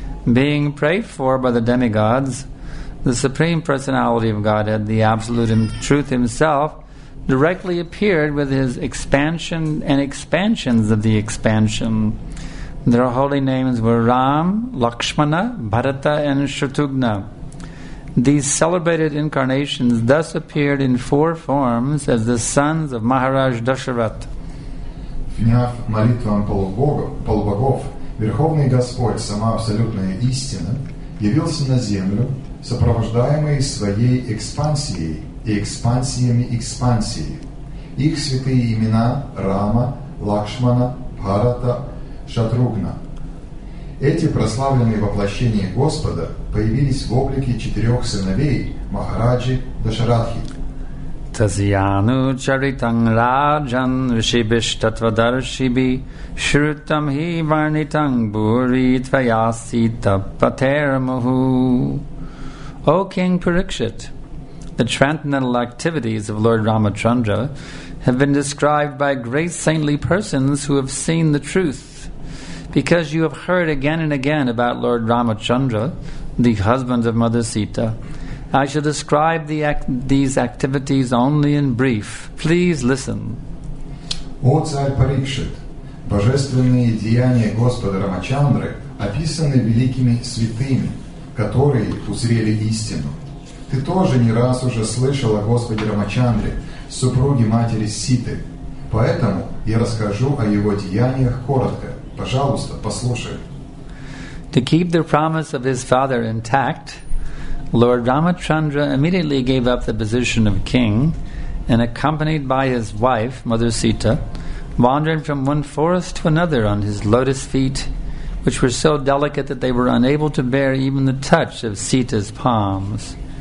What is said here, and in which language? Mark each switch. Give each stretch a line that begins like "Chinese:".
English: Being prayed for by the demigods, the Supreme Personality of Godhead, the Absolute Truth Himself, directly appeared with His expansion and expansions of the expansion. Their holy names were Ram, Lakshmana, Bharata, and Shatrughna. These celebrated incarnations thus appeared in four forms as the sons of Maharaj Dasharat.
Russian: Вняв молитвам полубогов, Верховный Господь, сама Абсолютная Истина, явился на землю, сопровождаемый своей экспансией и экспансиями экспансии. Их святые имена Рама, Лакшмана, Бхарата, Шатругна. Эти прославленные воплощения Господа появились в облике четырех сыновей Махараджи Дашаратхи.
Sanskrit: Тазьяну чаритан раджан вишибиштатвадаршиби шрутам хи варнитан бури твайасита патерамуху.
English: O King Parikshit, the transcendental activities of Lord Ramachandra have been described by great saintly persons who have seen the truth. Because you have heard again and again about Lord Ramachandra, the husband of Mother Sita, I shall describe these activities only in brief. Please listen.
Russian: О царь Парикшит, божественные деяния Господа Рамачандры описаны великими святыми, которые узрели истину. Ты тоже не раз уже слышал о Господе Рамачандре, супруге матери Ситы, поэтому я расскажу о его деяниях коротко. Пожалуйста, послушай.
English: To keep the promise of his father intact, Lord Ramachandra immediately gave up the position of king and, accompanied by his wife, Mother Sita, wandered from one forest to another on his lotus feet, which were so delicate that they were unable to bear even the touch of Sita's palms.